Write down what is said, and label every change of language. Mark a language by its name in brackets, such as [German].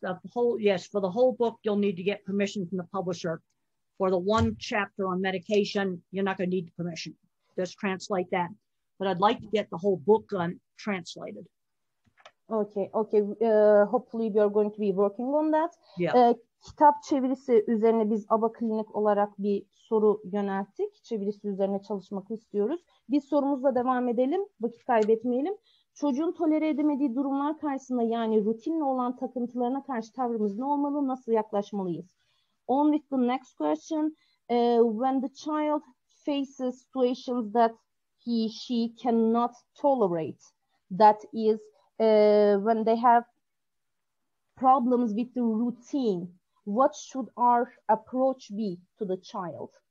[English] The whole, yes, for the whole book, you'll need to get permission from the publisher. For the one chapter on medication, you're not going to need permission. Just translate that. But I'd like to get the whole book translated. Okay, okay. Hopefully we are going to be working on that. Yeah. [Turkish] Kitap çevirisi üzerine biz ABA Klinik olarak bir soru yönelttik. Çevirisi üzerine çalışmak istiyoruz. Biz sorumuzla devam edelim. Vakit kaybetmeyelim. Çocuğun tolere edemediği durumlar karşısında, yani rutinle olan takıntılarına karşı tavrımız ne olmalı? Nasıl yaklaşmalıyız? [English] On with the next question. When the child faces situations that he, she cannot tolerate, that is, when they have problems with the routine, what should our approach be to the child?